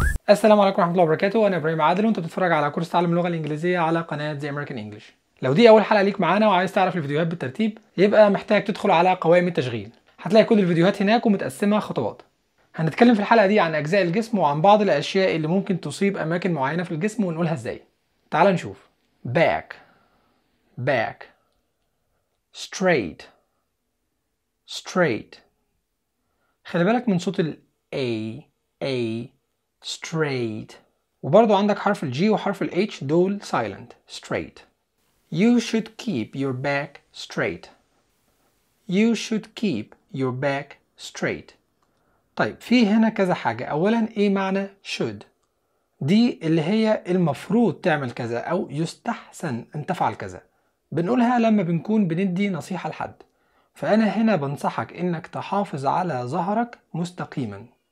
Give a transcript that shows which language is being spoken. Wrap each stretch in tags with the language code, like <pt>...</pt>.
<ar>السلام عليكم ورحمة الله وبركاته، انا ابراهيم عادل وانت بتتفرج على كورس تعلم اللغة الانجليزية على قناة زي امريكان انجلش. لو دي اول حلقة ليك معانا وعايز تعرف الفيديوهات بالترتيب، يبقى محتاج تدخل على قوائم التشغيل، هتلاقي كل الفيديوهات هناك ومتقسمة خطوات. هنتكلم في الحلقة دي عن أجزاء الجسم وعن بعض الأشياء اللي ممكن تصيب أماكن معينة في الجسم ونقولها إزاي. تعال نشوف.</ar> <en>back back straight straight.</en> <ar>خلي بالك من صوت ال a a straight، وبرضو عندك حرف ال g وحرف ال h دول</ar> <en>silent straight. you should keep your back straight you should keep your back straight.</en> <ar>طيب في هنا كذا حاجة. أولا إيه معنى should؟ دي اللي هي المفروض تعمل كذا أو يستحسن أن تفعل كذا، بنقولها لما بنكون بندي نصيحة لحد. فأنا هنا بنصحك إنك تحافظ على ظهرك مستقيما.</ar>